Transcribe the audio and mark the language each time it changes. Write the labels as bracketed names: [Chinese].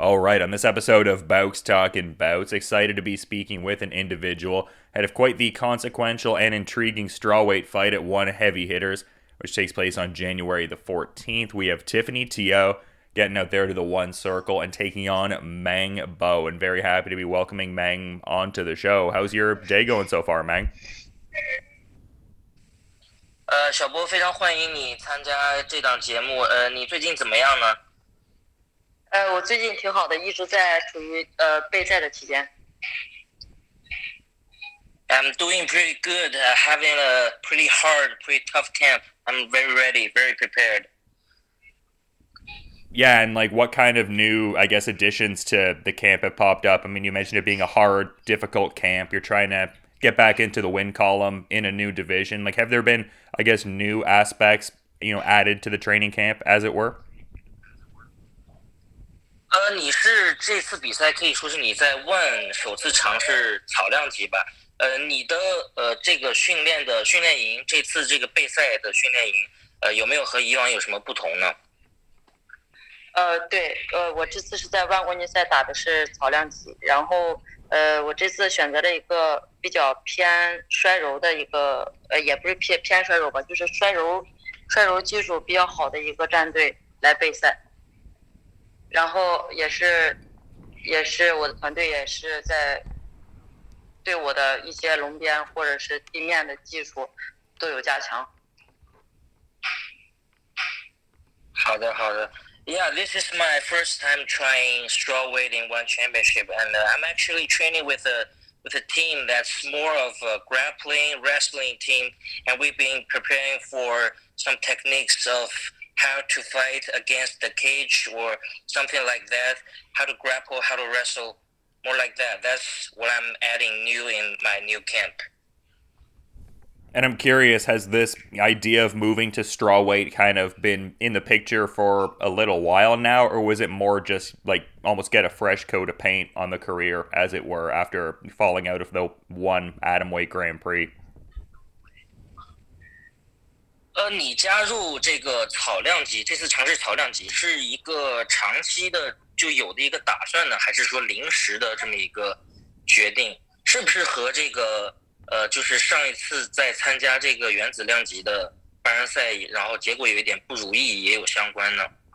[English] All right, on this episode of Bouts Talking Bouts, excited to be speaking with an individual head of quite the consequential and intriguing strawweight fight at One Heavy Hitters, which takes place on January the 14th. We have Tiffany Teo getting out there to the One Circle and taking on Meng Bo, and very happy to be welcoming Meng onto the show. How's your day going so far, Meng? [Chinese] 小波，非常欢迎你参加这档节目。你最近怎么样呢？我最近挺好的，一直在处于备赛的期间。 [English] I'm doing pretty good, having a pretty hard, pretty tough camp. I'm very ready, very prepared. Yeah, and like what kind of new, I guess, additions to the camp have popped up? I mean, you mentioned it being a hard, difficult camp. You're trying to get back into the win column in a new division. Like, have there been, I guess, new aspects, you know, added to the training camp, as it were? [Chinese] 你是这次比赛可以说是你在One首次尝试草量级吧？你的这个训练的训练营，这次这个备赛的训练营，有没有和以往有什么不同呢？对，我这次是在万国锦赛打的是草量级，然后我这次选择了一个比较偏摔柔的一个，也不是偏摔柔吧，就是摔柔技术比较好的一个战队来备赛。然后也是我的团队也是在对我的一些龙边或者是地面的技术都有加强。好的好的。 [English] Yeah, this is my first time trying strawweight in One Championship, and I'm actually training with a team that's more of a grappling, wrestling team, and we've been preparing for some techniques of how to fight against the cage or something like that, how to grapple, how to wrestle, more like that. That's what I'm adding new in my new camp. And I'm curious, has this idea of moving to strawweight kind of been in the picture for a little while now, or was it more just like almost get a fresh coat of paint on the career, as it were, after falling out of the One Atomweight Grand Prix? [Chinese] 你加入这个草量级，这次尝试草量级是一个长期的就有的一个打算呢，还是说临时的这么一个决定？是不是和这个就是上一次在参加这个原子量级的八人赛，然后结果有一点不如意也有相关呢？